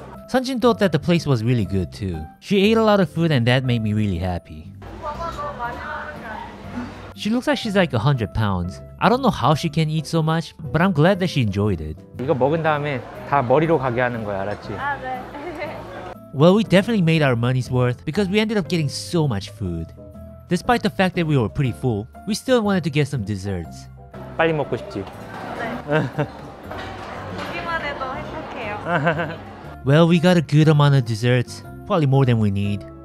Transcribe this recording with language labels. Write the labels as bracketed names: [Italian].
[English] Sunjin thought that the place was really good too. She ate a lot of food and that made me really happy. She looks like she's like 100 pounds. I don't know how she can eat so much, but I'm glad that she enjoyed it. [Korean] 이거 먹은 다음에 다 머리로 가게 하는 거야, 알았지? 아, 네. [English] Well, we definitely made our money's worth because we ended up getting so much food. Despite the fact that we were pretty full, we still wanted to get some desserts. [Korean] 빨리 먹고 싶지? 네. 보기만 해도 행복해요. [English] Well, we got a good amount of desserts, probably more than we need.